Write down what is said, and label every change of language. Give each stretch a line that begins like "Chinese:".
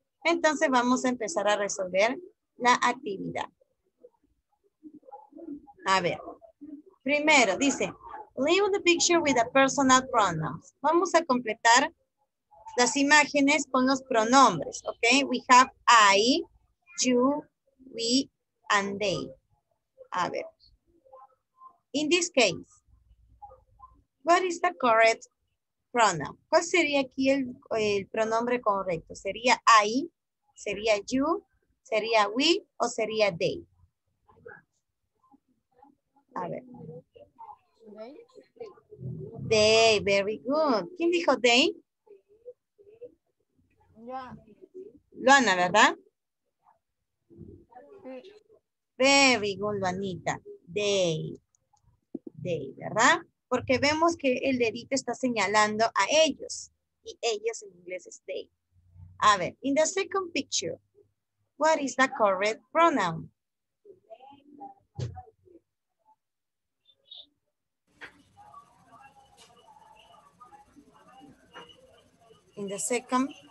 Spanish: Entonces vamos a empezar a resolver la actividad. A ver, primero dice,
English: leave the picture with a personal pronouns.
Spanish: Vamos a completar las imágenes con los pronombres.
English: Ok, we have I, you, we, and they.
Spanish: A ver.
English: In this case, what is the correct pronoun?
Spanish: ¿Cuál sería aquí el pronombre correcto? ¿Sería I, sería you, sería we, o sería they? A ver.
English: They, very good.
Spanish: ¿Quién dijo
English: they?
Spanish: Luana, ¿verdad?
English: Very good, Luanita. They, ¿verdad?
Spanish: Porque vemos que el dedito está señalando a ellos. Y ellos en inglés es they. A ver,
English: in the second picture, what is the correct pronoun? In the second.